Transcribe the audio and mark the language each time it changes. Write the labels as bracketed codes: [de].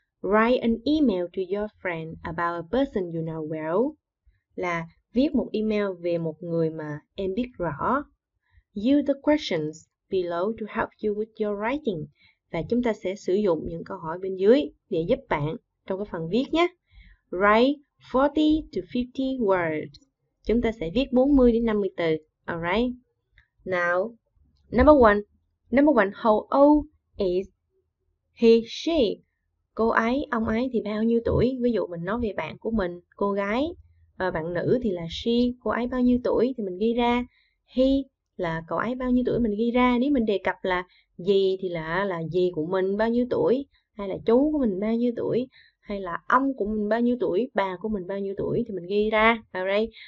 [en] Write an email to your friend about a person you know well. [vi] Là viết một email về một người mà em biết rõ. [en] Use the questions below to help you with your writing. [vi] Và chúng ta sẽ sử dụng những câu hỏi bên dưới để giúp bạn trong cái phần viết nhé. [en] Write 40 to 50 words. [vi] Chúng ta sẽ viết 40 đến 50 từ. Alright? [en] Now, number one, how old is he, she? [vi] Cô ấy, ông ấy thì bao nhiêu tuổi? Ví dụ mình nói về bạn của mình, cô gái, bạn nữ thì là she, cô ấy bao nhiêu tuổi thì mình ghi ra. He là cậu ấy bao nhiêu tuổi mình ghi ra. Nếu mình đề cập là dì thì là dì của mình bao nhiêu tuổi, hay là chú của mình bao nhiêu tuổi, hay là ông của mình bao nhiêu tuổi, bà của mình bao nhiêu tuổi thì mình ghi ra. Alright.